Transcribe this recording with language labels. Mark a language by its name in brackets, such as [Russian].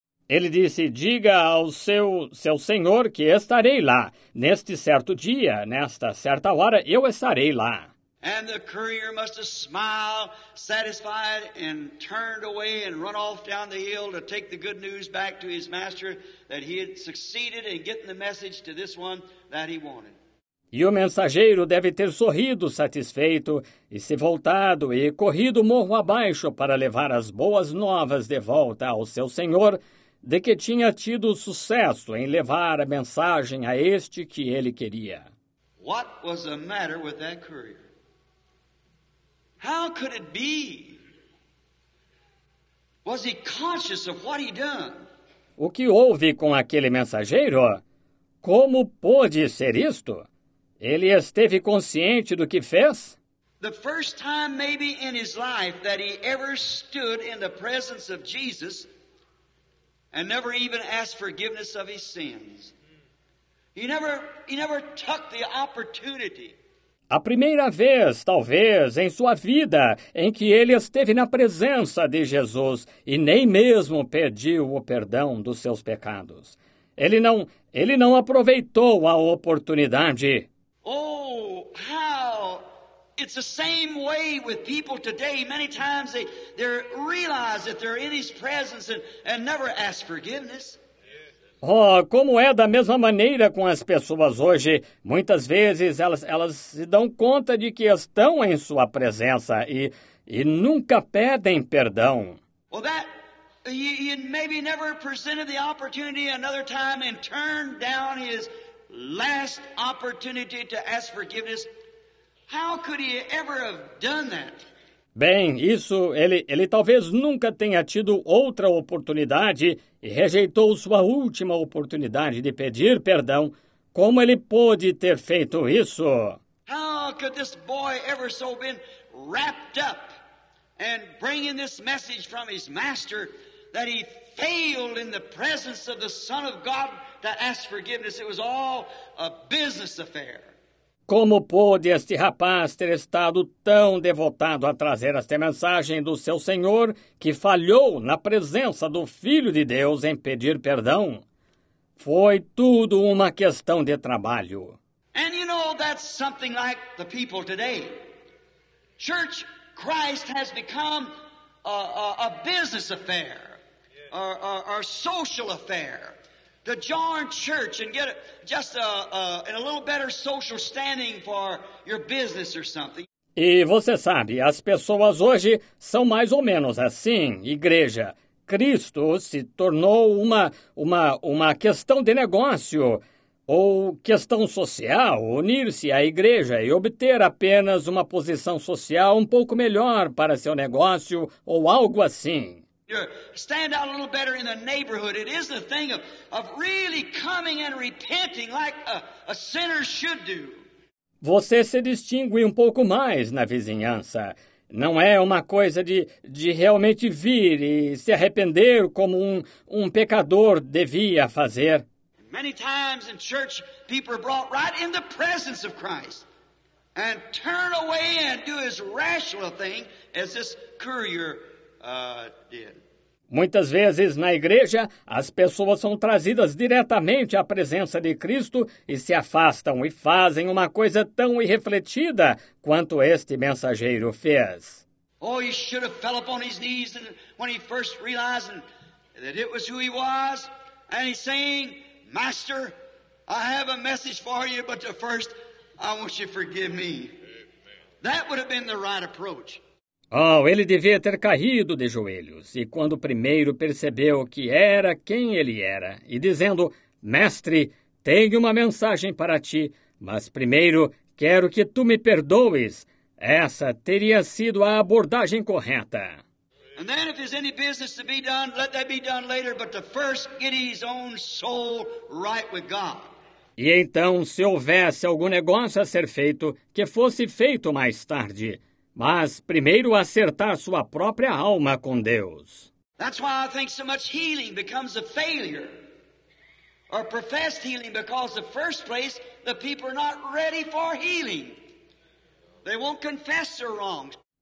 [Portuguese] Ele disse, diga ao seu senhor que estarei lá. Neste certo dia, nesta certa hora, eu estarei lá. [English] And the courier must have smiled, satisfied, and turned away and run off down the hill to take the good news back to his master that he had succeeded in getting the message to this one that he wanted. [Portuguese] E o mensageiro deve ter sorrido satisfeito e se voltado e corrido morro abaixo para levar as boas novas de volta ao seu senhor, de que tinha tido sucesso em levar a mensagem a este que ele queria. [English] What was the matter with that courier? How could it be? Was he conscious of what he'd done? [Portuguese] O que houve com aquele mensageiro? Como pôde ser isto? Ele esteve consciente do que fez? [English] The first time maybe in his life that he ever stood in the presence of Jesus and never even asked forgiveness of his sins. He never took the opportunity. [Portuguese] A primeira vez, talvez, em sua vida, em que ele esteve na presença de Jesus e nem mesmo pediu o perdão dos seus pecados. Ele não aproveitou a oportunidade. [English] Oh, how it's the same way with people today. Many times they realize that they're in his presence and never ask forgiveness. [Portuguese] Oh, como é da mesma maneira com as pessoas hoje. Muitas vezes elas se dão conta de que estão em sua presença e nunca pedem perdão. [English] Well, that he maybe never presented the opportunity another time and turned down his last opportunity to ask forgiveness. How could he ever have done that? [Portuguese] Bem, isso, ele talvez nunca tenha tido outra oportunidade e rejeitou sua última oportunidade de pedir perdão. Como ele pôde ter feito isso? [English] How could this boy ever so been wrapped up and bringing this message from his master that he failed in the presence of the Son of God to ask forgiveness. It was all a business affair. [Portuguese] Como pôde este rapaz ter estado tão devotado a trazer esta mensagem do seu Senhor que falhou na presença do Filho de Deus em pedir perdão? Foi tudo uma questão de trabalho. [English] And you know, that's something like the people today. Church Christ has become a business affair, or social affair. To join church and get just a little better social standing for your business or something. [Portuguese] E você sabe, as pessoas hoje são mais ou menos assim, igreja. Cristo se tornou uma questão de negócio ou questão social, unir-se à igreja e obter apenas uma posição social um pouco melhor para seu negócio ou algo assim. [English] Stand out a little better in the neighborhood. It isn't a thing of really coming and repenting like a sinner should do. [Portuguese] Você se distingue um pouco mais na vizinhança. Não é uma coisa de realmente vir e se arrepender como um pecador devia fazer. [English] Many times in church, people are brought right in the presence of Christ and turn away and do as rational a thing as this courier did. [Portuguese] Muitas vezes na igreja, as pessoas são trazidas diretamente à presença de Cristo e se afastam e fazem uma coisa tão irrefletida quanto este mensageiro fez. [English] Oh, he should have fell upon his knees when he first realized that it was who he was. And he's saying, Master, I have a message for you, but first I want you to forgive me. That would have been the right approach. [Portuguese] Oh, ele devia ter caído de joelhos, e quando primeiro percebeu que era quem ele era, e dizendo, Mestre, tenho uma mensagem para ti, mas primeiro quero que tu me perdoes. Essa teria sido a abordagem correta. [English] And then if there's any business to be done, let that be done later, but to first get his own soul right with God. [Portuguese] E então, se houvesse algum negócio a ser feito, que fosse feito mais tarde, mas primeiro acertar sua própria alma com Deus. [English] That's why I think so much healing becomes a failure. Or professed healing, because the first place the people are not ready for healing. They won't confess their wrongs.